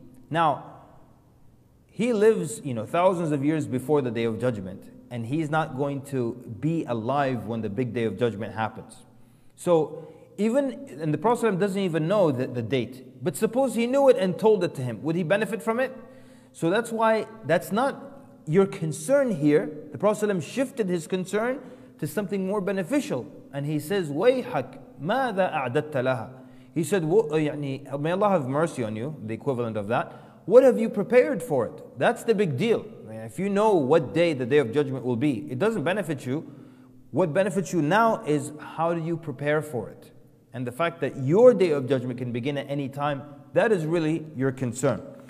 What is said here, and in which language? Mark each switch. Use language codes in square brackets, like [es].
[en] Now, he lives, you know, thousands of years before the day of judgment, and he's not going to be alive when the big day of judgment happens. So, even, and the Prophet doesn't even know the date, but suppose he knew it and told it to him, would he benefit from it? So that's why, that's not your concern here. The Prophet shifted his concern to something more beneficial. [ar] And he says, وَيْحَكْ مَاذَا أَعْدَدْتَ لَهَا. [en] He said, may Allah have mercy on you, the equivalent of that. What have you prepared for it? That's the big deal. If you know what day the day of judgment will be, it doesn't benefit you. What benefits you now is how do you prepare for it? And the fact that your day of judgment can begin at any time, that is really your concern.